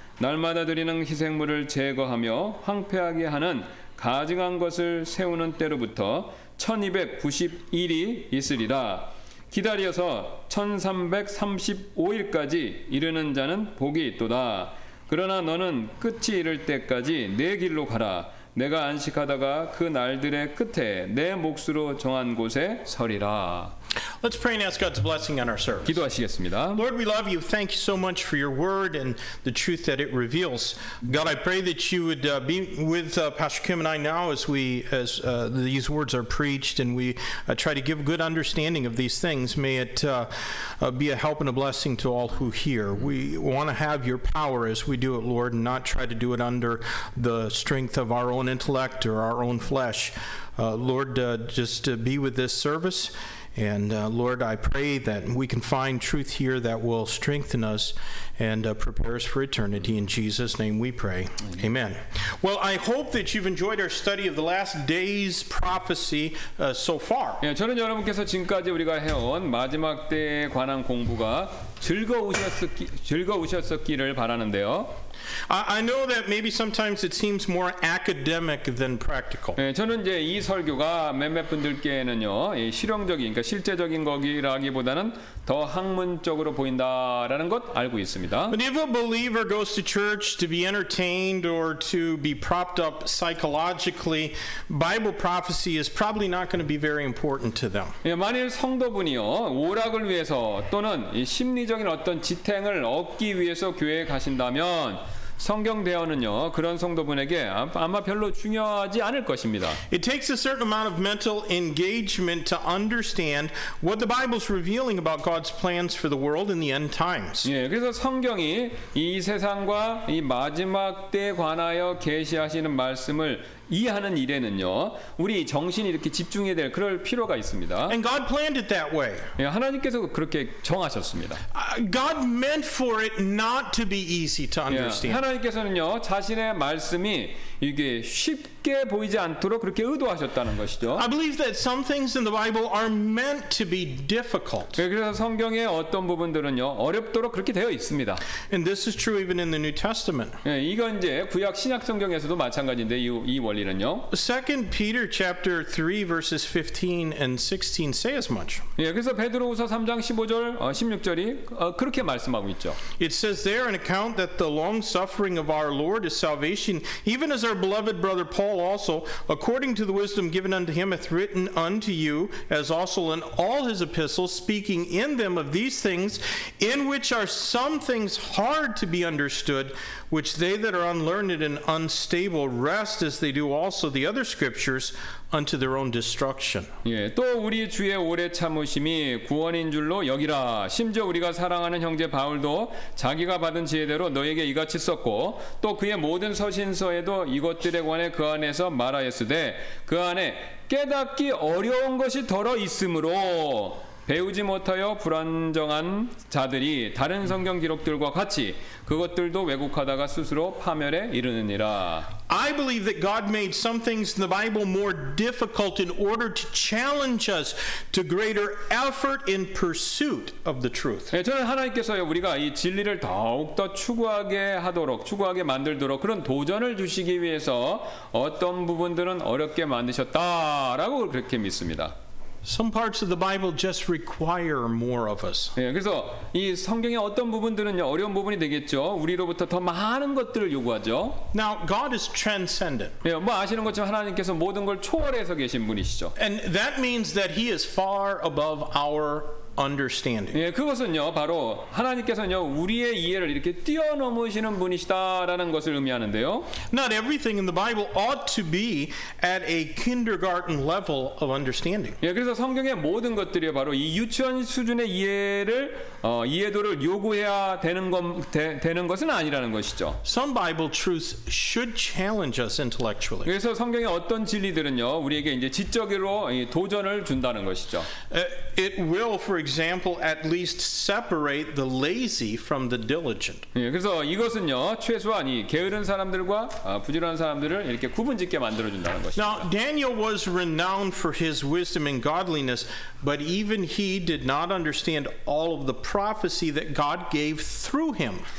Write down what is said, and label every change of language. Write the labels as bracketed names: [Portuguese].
[Korean] 날마다 드리는 희생물을 제거하며 황폐하게 하는 가증한 것을 세우는 때로부터 1291이 있으리라. 기다려서 1335일까지 이르는 자는 복이 있도다. 그러나 너는 끝이 이를 때까지 내 길로 가라. 내가 안식하다가 그 날들의 끝에 내 몫으로 정한 곳에 서리라. [English] Let's pray and ask God's blessing on our service. [Korean] 기도하시겠습니다. [English] Lord, we love you. Thank you so much for your word and the truth that it reveals. God, I pray that you would be with Pastor Kim and I now as these words are preached and we try to give good understanding of these things. May it be a help and a blessing to all who hear. We want to have your power as we do it, Lord, and not try to do it under the strength of our own intellect or our own flesh. Lord, just be with this service. And Lord, I pray that we can find truth here that will strengthen us and prepare us for eternity. In Jesus' name we pray. Amen. Well, I hope that you've enjoyed our study of the last day's prophecy so far. [Korean] 예, 저는 여러분께서 지금까지 우리가 해온 마지막 때에 관한 공부가 즐거우셨기를 바라는데요. [English] I know that maybe sometimes it seems more academic than practical. [Korean] 예, 저는 이제 이 설교가 몇몇 분들께는요, 예, 실용적인, 그러니까 실제적인 거기라기보다는 더 학문적으로 보인다라는 것 알고 있습니다. [English] But if a believer goes to church to be entertained or to be propped up psychologically, Bible prophecy is probably not going to be very important to them. [Korean] 예, 만일 성도분이요, 오락을 위해서 또는 이 심리적인 어떤 지탱을 얻기 위해서 교회에 가신다면 성경 대언은요 그런 성도분에게 아마 별로 중요하지 않을 것입니다. [English] It takes a certain amount of mental engagement to understand what the Bible's revealing about God's plans for the world in the end times. [Korean] 예, 그래서 성경이 이 세상과 이 마지막 때에 관하여 계시하시는 말씀을 이해하는 일에는요 우리 정신이 이렇게 집중해야 될 그럴 필요가 있습니다. [English] And God planned it that way. [Korean] 예, 하나님께서 그렇게 정하셨습니다. [English] God meant for it not to be easy to understand. [Korean] 예, 하나님께서는요 자신의 말씀이 이게 쉽게 보이지 않도록 그렇게 의도하셨다는 것이죠. [English] I believe that some things in the Bible are meant to be difficult. [Korean] 예, 그래서 성경의 어떤 부분들은요 어렵도록 그렇게 되어 있습니다. [English] And this is true even in the New Testament. [Korean] 예, 이건 이제 구약 신약 성경에서도 마찬가지인데 이 원리는요. [English] 2 Peter chapter 3 verses 15 and 16 say as much. [Korean] 예, 그래서 베드로후서 3장 15절 16절이 그렇게 말씀하고 있죠. [English] It says there an account that the long suffering of our Lord is salvation, even as our beloved brother Paul also, according to the wisdom given unto him, hath written unto you, as also in all his epistles, speaking in them of these things, in which are some things hard to be understood, which they that are unlearned and unstable rest as they do also the other scriptures unto their own destruction. [Korean] 예, 또 우리 주의 오래 참으심이 구원인 줄로 여기라. 심지어 우리가 사랑하는 형제 바울도 자기가 받은 지혜대로 너에게 이같이 썼고 또 그의 모든 서신서에도 이것들에 관해 그 안에서 말하였으되 그 안에 깨닫기 어려운 것이 더러 있으므로 배우지 못하여 불안정한 자들이 다른 성경 기록들과 같이 그것들도 왜곡하다가 스스로 파멸에 이르느니라. [English] I believe that God made some things in the Bible more difficult in order to challenge us to greater effort in pursuit of the truth. [Korean] 예, 저는 하나님께서요 우리가 이 진리를 더욱더 추구하게 하도록 추구하게 만들도록 그런 도전을 주시기 위해서 어떤 부분들은 어렵게 만드셨다라고 그렇게 믿습니다. [English] Some parts of the Bible just require more of us. [Korean] 예, 그래서 이 성경의 어떤 부분들은요 어려운 부분이 되겠죠. 우리로부터 더 많은 것들을 요구하죠. [English] Now God is transcendent. [Korean] 예, 뭐 아시는 것처럼 하나님께서 모든 걸 초월해서 계신 분이시죠. [English] And that means that He is far above our understanding. [Korean] 예, 그것은요 바로 하나님께서는요 우리의 이해를 이렇게 뛰어넘으시는 분이시다라는 것을 의미하는데요. [English] Not everything in the Bible ought to be at a kindergarten level of understanding. [Korean] 예, 그래서 성경의 모든 것들이 바로 이 유치원 수준의 이해를 이해도를 요구해야 되는 것은 아니라는 것이죠. [English] Some Bible truths should challenge us intellectually. [Korean] 그래서 성경의 어떤 진리들은요 우리에게 이제 지적으로 도전을 준다는 것이죠. [English] It will, for example, at least separate the lazy from the diligent. [Korean] 예, 그래서 이것은요, 최소한 이 게으른 사람들과 부지런한 사람들을 이렇게 구분짓게 만들어 준다는 것입니다. [English] Now Daniel was renowned for his wisdom and godliness, but even he did not understand all of the prophecy that God gave through him.